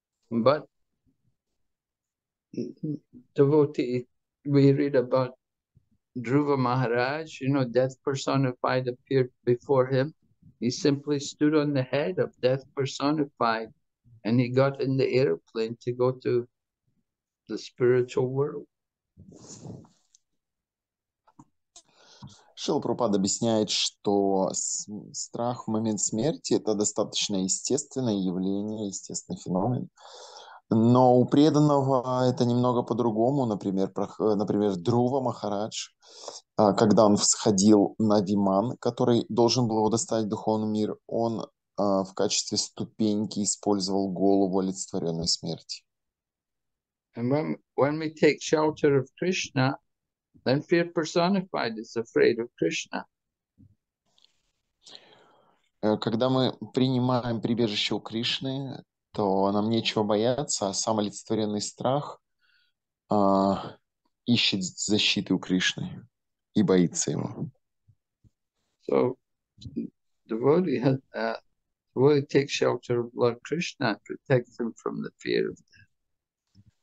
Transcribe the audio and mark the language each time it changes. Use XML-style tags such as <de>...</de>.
<en>But devotee, we read about Dhruva Maharaj, you know, death personified appeared before him. He simply stood on the head of death personified and he got in the airplane to go to the spiritual world.</en> <ru>Шрила Прабхупада объясняет, что страх в момент смерти это достаточно естественное явление, естественный феномен. Но у преданного это немного по-другому. Например, Друва Махарадж, когда он всходил на Виман, который должен был его доставить в духовный мир, он в качестве ступеньки использовал голову олицетворенной смерти.</ru> <en>And when we take shelter of Krishna, then fear personified is afraid of Krishna.</en> <ru>Когда мы принимаем прибежище у Кришны, то нам нечего бояться, а сам олицетворенный страх ищет защиты у Кришны и боится его.</ru> <en>So, devotee has devotee takes shelter of Lord Krishna, protects him from the fear of death.</en>